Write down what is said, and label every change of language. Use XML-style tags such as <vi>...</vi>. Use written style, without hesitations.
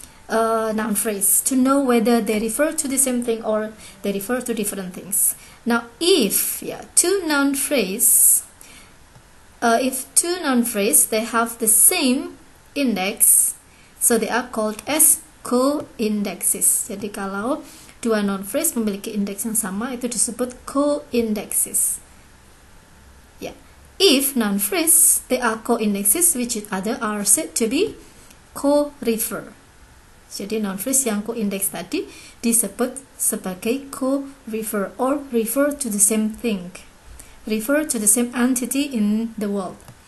<en>noun phrase to know whether they refer to the same thing or they refer to different things. Now, if two noun phrase they have the same index, so they are called as co-indexes.</en> <id>Jadi kalau dua noun phrase memiliki indeks yang sama, itu disebut co-indexes.</id> <en>If noun phrase, they are co-indexes, which is other are said to be co-refer.</en> <id>Jadi noun phrase yang co-index tadi disebut sebagai co-refer</id> <en>or refer to the same thing, refer to the same entity in the world.</en>